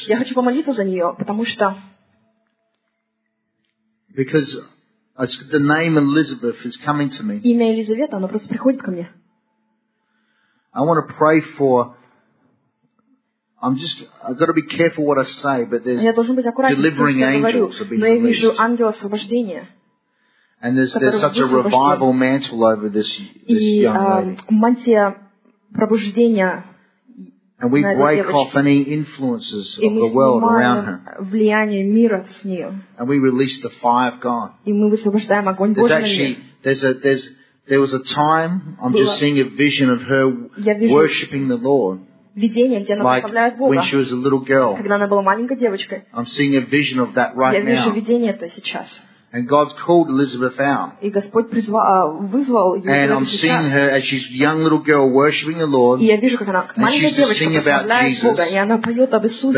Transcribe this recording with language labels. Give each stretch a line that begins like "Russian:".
Russian: Я хочу помолиться за нее, потому что...
English: Because the name Elizabeth is coming to me.
Russian: Имя Елизавета, оно просто приходит ко мне.
English: I want to pray for... I've got to be careful what I say, but there's delivering angels have been released. And there's such a revival mantle over this young lady. And we break off any influences of the world around her. And we release the fire of God. There was a time, I'm just seeing a vision of her worshipping the Lord.
Russian: Видение, где она прославляет Бога.
English: When she was a little girl,
Russian: когда она была маленькой девочкой.
English: I'm seeing a vision of that right now.
Russian: Я вижу
English: now.
Russian: Видение это сейчас.
English: And God's called Elizabeth out.
Russian: И Господь вызвал ее.
English: And I'm
Russian: сейчас.
English: Seeing her as she's a young little girl worshiping the Lord.
Russian: И я вижу, как она маленькая девочка прославляет Бога, и она поет об Иисусе.